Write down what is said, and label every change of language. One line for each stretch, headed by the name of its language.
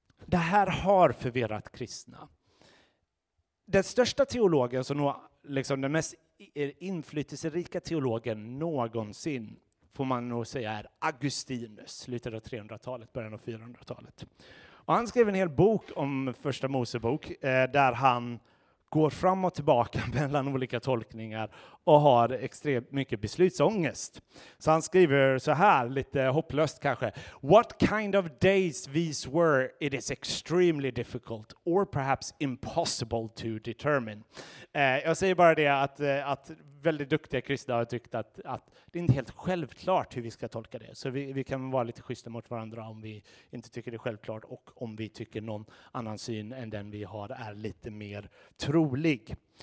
Swedish: Det här har förvirrat kristna. Den största teologen, som liksom den mest inflytelserika teologen någonsin, får man nog säga, är Augustinus, slutet av 300-talet, början av 400-talet. Och han skrev en hel bok om första Mosebok där han går fram och tillbaka mellan olika tolkningar och har extremt mycket beslutsångest. Så han skriver så här, lite hopplöst kanske.
English: What kind of days these were, it is extremely difficult or perhaps impossible to determine.
Swedish: Jag säger bara det att väldigt duktiga kristna har tyckt att det inte är helt självklart hur vi ska tolka det. Så vi kan vara lite schyssta mot varandra om vi inte tycker det är självklart, och om vi tycker någon annan syn än den vi har är lite mer trolig.